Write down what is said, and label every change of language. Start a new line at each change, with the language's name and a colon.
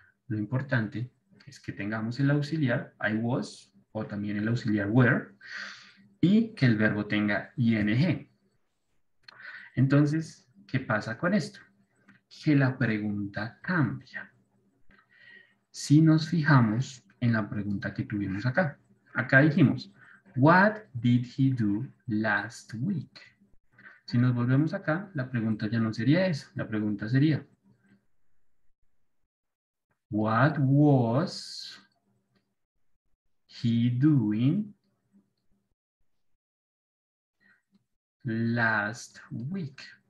Spanish: Lo importante es que tengamos el auxiliar,
English: I was,
Spanish: o también el auxiliar were, y que el verbo tenga ing. Entonces, ¿qué pasa con esto? Que la pregunta cambia. Si nos fijamos en la pregunta que tuvimos acá. Acá dijimos,
English: what did he do last week?
Spanish: Si nos volvemos acá, la pregunta ya no sería esa. La pregunta sería,
English: what was he doing last week?